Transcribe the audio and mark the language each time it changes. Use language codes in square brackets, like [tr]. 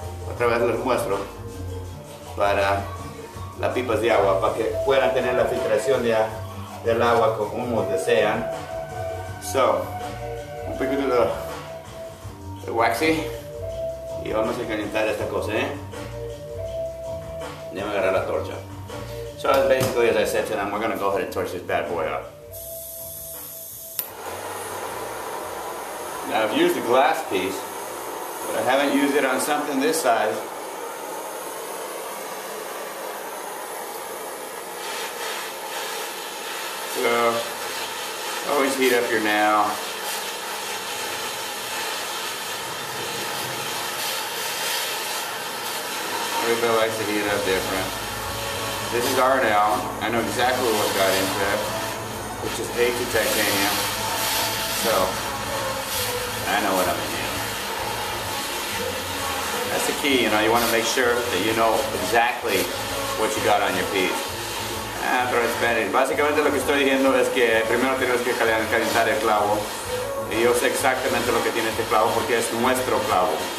[es] Otra vez les muestro para las pipas de agua, para que puedan tener la filtración del agua como desean. So, un poquito de waxy y vamos a calentar esta cosa, ¿eh? Ya me agarré la torcha. [en] So, as basically as I said to them, we're going to go ahead and torch this bad boy up. Now, I've used a glass piece. But I haven't used it on something this size. So, always heat up your nail. Everybody likes to heat up different. This is our nail. I know exactly what got into it, which is 8 to titanium. So, I know what I'm in. That's the key, you know, you want to make sure that you know exactly what you got on your piece. [es] Ah, pero esperen. Básicamente lo que estoy diciendo es que primero tenemos que calentar el clavo. Y yo sé exactamente lo que tiene este clavo porque es nuestro clavo.